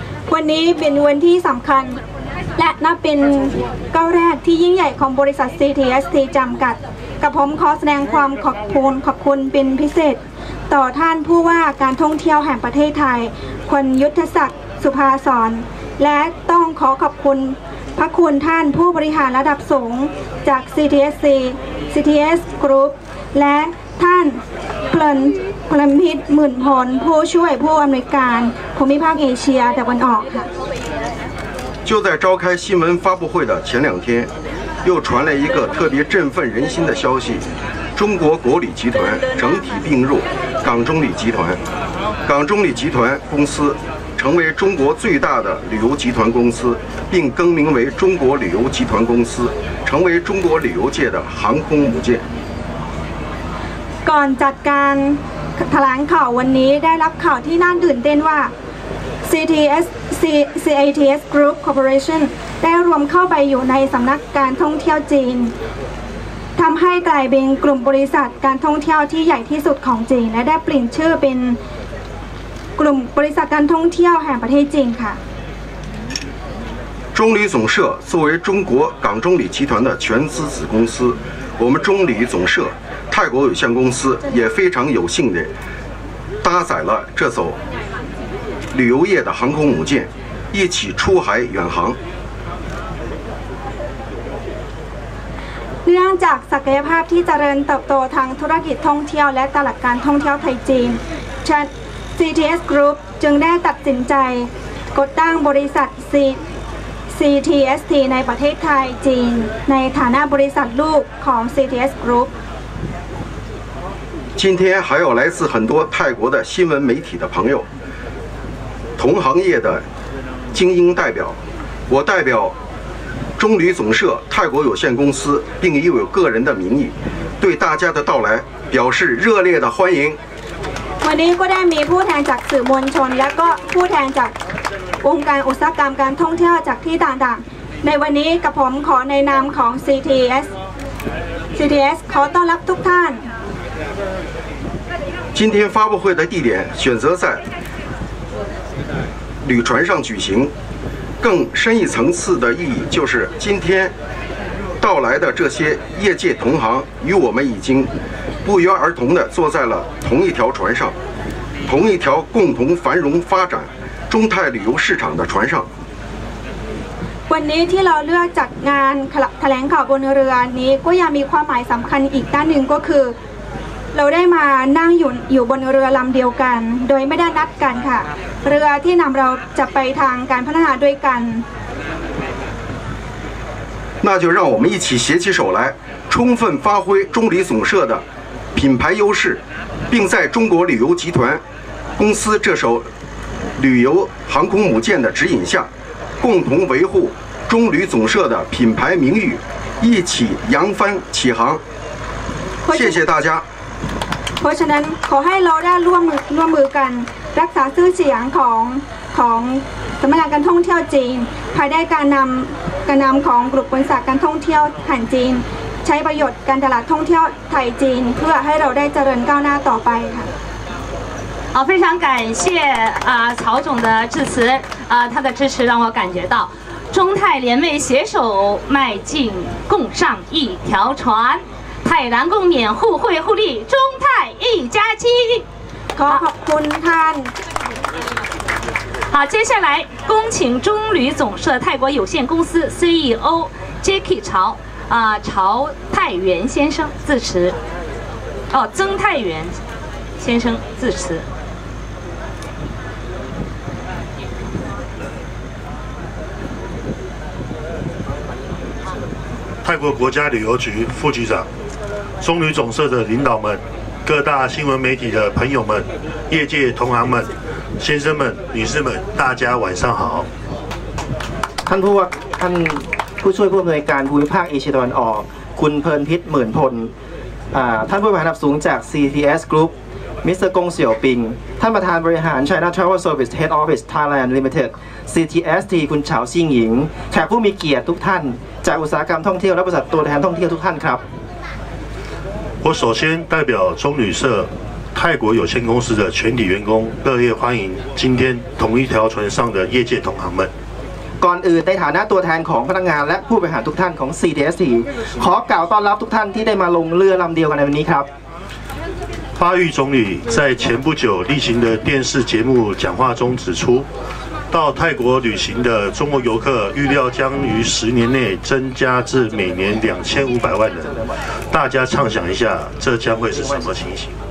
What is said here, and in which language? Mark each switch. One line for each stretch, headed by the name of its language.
Thai: วันนี้เป็นวันที่สำคัญและนับเป็นก้าวแรกที่ยิ่งใหญ่ของบริษัท CTST จำกัดกับผมขอแสดงความขอบ คุณเป็นพิเศษต่อท่านผู้ว่าการท่องเที่ยวแห่งประเทศไทยคุณยุทธศักดิ์สุภาสอนและต้องขอขอบคุณพระคุณท่านผู้บริหารระดับสูงจาก CTSC CTS Group และท่านเพลินพลพิษหมื่นพลผู้ช่วยผู้อำนวยการภูมิภาคเอเชียตะวันออกค่ะ
Chinese: 就在召开新闻发布会的前两天又传来一个特别振奋人心的消息中国国旅集团整体并入港中旅集团港中旅集团公司成为中国最大的旅游集团公司并更名为中国旅游集团公司成为中国旅游界的航空母舰
Thai: ก่อนจัดการแถลงข่าววันนี้ได้รับข่าวที่น่าตื่นเต้นว่า CATS Group Corporation ได้รวมเข้าไปอยู่ในสำนักการท่องเที่ยวจีนทำให้กลายเป็นกลุ่มบริษัทการท่องเที่ยวที่ใหญ่ที่สุดของจีนและได้เปลี่ยนชื่อเป็นกลุ่มบริษัทการท่องเที่ยวแห่งประเทศจีนค่ะ
Chinese: 中旅总社作为中国港中旅集团的全资子公司我们中旅总社泰国有限公司也非常有幸地搭载了这艘旅游业的航空母舰一起出海远航。
Thai: เนื่องจากศักยภาพที่เจริญเติบโตทางธุรกิจท่องเที่ยวและตลาดการท่องเที่ยวไทยจีน CTS Group จึงได้ตัดสินใจกดตั้งบริษัท CTST ในประเทศไทยจีนในฐานะบริษัทลูกของ CTS Group
Chinese: 今天还有来自很多泰国的新闻媒体的朋友同行业的精英代表我代表中旅总社泰国有限公司并以我个人的名义对大家的到来表示热烈的欢迎
Thai: วันนี้ก็ได้มีผู้แทนจากสื่อมวลชนและก็ผู้แทนจากองค์การอุตสาหกรรมการท่องเที่ยวจากที่ต่างๆในวันนี้กับผมขอในนามของ CTS ขอต้อนรับทุกท่าน
Chinese: 今天发布会的地点选择在旅船上举行更深一层次的意义就是今天到来的这些业界同行与我们已经不约而同地坐在了同一条船上同一条共同繁荣发展中泰旅游市场的船上
Thai: วันนี้ที่เราเลือกจัดงานแถลงข่าวบนเรือนี้ก็ยังมีความหมายสำคัญอีกด้านหนึ่งก็คือเราได้มานั่งอยู่บนเรือลำเดียวกันโดยไม่ได้นัดกันค่ะเรือที่นำเราจะไปทางการพัฒนาด้วยกัน
Chinese: 那就让我们一起携起手来充分发挥中旅总社的品牌优势并在中国旅游集团公司这艘旅游航空母舰的指引下共同维护中旅总社的品牌名誉一起扬帆起航谢谢大家
Thai: เพราะฉะนั้นขอให้เราได้ร่วมมือกันรักษาชื่อเสียงของสำนักงานการท่องเที่ยวจีนภายใต้การนำของกลุ่มบริษัทการท่องเที่ยวแห่งจีนใช้ประโยชน์การตลาดท่องเที่ยวไทยจีนเพื่อให้เราได้เจริญก้าวหน้าต่อไปค่ะ
Chinese: 好，非常感谢曹总的致辞，他的支持让我感觉到中泰联袂携手迈进，共上一条船。泰南共勉互惠互利中泰一家亲
Thai: ขอบคุณท่าน
Chinese: 好接下来恭请中旅总社泰国有限公司 CEO Jacky 曹泰元先生致辞曾泰元先生致辞泰国国家旅游局副局长中旅总社的领导们各大新闻媒体的朋友们业界同行们先生们女士们大家晚上好
Thai: ท่านผู้ว่าท่านผู้ช่วยผู้อำนวยการภูมิภาคเอเชียตะวันออกคุณเพลินพิษหมื่นพลท่านผู้บริหารสูงจาก CTS Group มิสเตอร์กงเสี่ยวปิงท่านประธานบริหาร China Travel Service Head Office Thailand Limited CTST คุณเฉาซิงหญิงแขกผู้มีเกียรติทุกท่านจากอุตสาหกรรมท่องเที่ยวและบริษัทตัวแทนท่องเที่ยวทุกท่านครับ
Chinese: 我首先代表中旅社泰国有限公司的全体员工热烈欢迎今天同一条船上的业界同行们
Thai: ก่อนอื่นในฐานะตัวแทนของพนักงานและผู้บริหารทุกท่านของ CTST ขอกล่าวต้อนรับทุกท่านที่ได้มาลงเรือลำเดียวกันในวันนี้ครับ
Chinese: 巴育总理在前不久例行的电视节目讲话中指出到泰国旅行的中国游客预料将于十年内增加至每年2500万人大家畅想一下这将会是什么情形